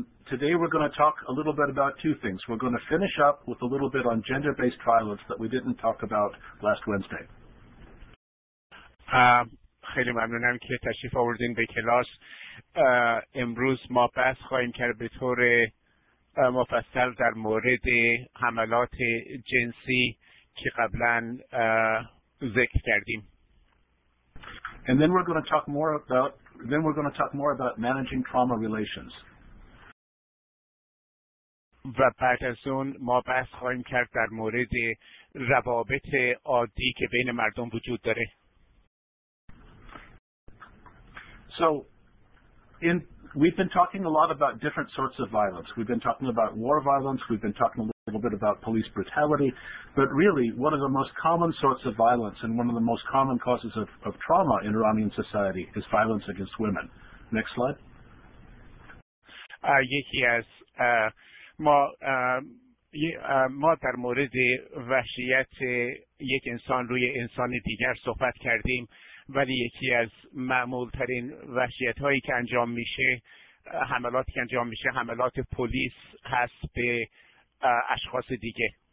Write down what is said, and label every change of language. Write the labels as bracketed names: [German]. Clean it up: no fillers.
[English] Today we're going to talk a little bit about two things. We're going to finish up with a little bit on gender-based violence that we didn't talk about last Wednesday. [Persian] خیلی ممنونم که تشریف آوردین به کلاس. امروز ما بحث خواهیم کرد به طور مفصل در مورد حملات جنسی که قبلا ذکر کردیم. [English] And then we're going to talk more about managing trauma relations. [Persian] و بعد از اون ما بحث خواهیم کرد در مورد روابط عادی که بین مردم وجود داره. [English] So in we've been talking a lot about different sorts of violence. We've been talking about war violence, we've been talking a little bit about police brutality, but really one of the most common sorts of violence and one of the most common causes of trauma in Iranian society is violence against women. Next slide. [Persian] ما در مورد وحشیت یک انسان روی انسان دیگر صحبت کردیم. ولی یکی از معمول‌ترین وحشیت‌هایی که انجام میشه، حملاتی که انجام میشه، حملات پلیس هست به اشخاص دیگه.